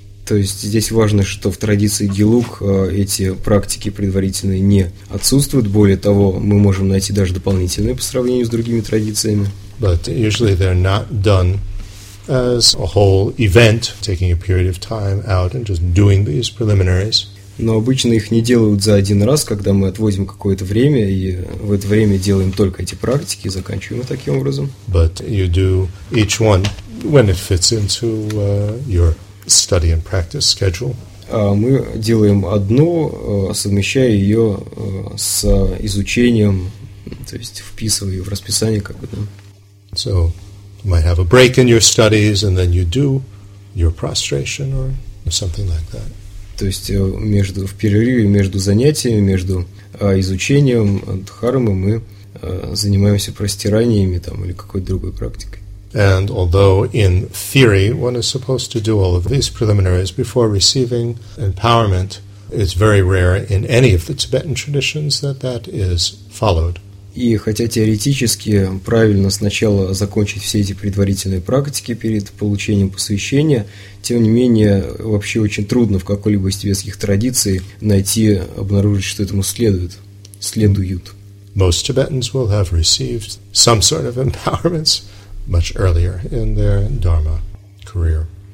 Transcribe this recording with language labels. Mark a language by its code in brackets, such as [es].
[ru] То есть здесь важно, что в традиции Гелуг эти практики предварительные не отсутствуют. Более того, мы можем найти даже дополнительные по сравнению с другими традициями. [en] But usually they're not done as a whole event, taking a period of time out and just doing these preliminaries. [ru] Но обычно их не делают за один раз, когда мы отвозим какое-то время и в это время делаем только эти практики и заканчиваем таким образом. [en] But you do each one when it fits into your study and practice schedule. [ru] Мы делаем одну, совмещая ее с изучением, то есть вписывая ее в расписание, как бы. [en] So might have a break in your studies and then you do your prostration or something like that. [ru] То есть между в перерыве между занятиями, между изучением дхармы мы занимаемся простираниями там или какой-то другой практикой. [en] And although in theory one is supposed to do all of these preliminaries before receiving empowerment, it's very rare in any of the Tibetan traditions that that is followed. [ru] И хотя теоретически правильно сначала закончить все эти предварительные практики перед получением посвящения, тем не менее, вообще очень трудно в какой-либо из тибетских традиций найти, обнаружить, что этому следует, следуют. [en] Most Tibetans will have received some sort of empowerments much earlier in their dharma career.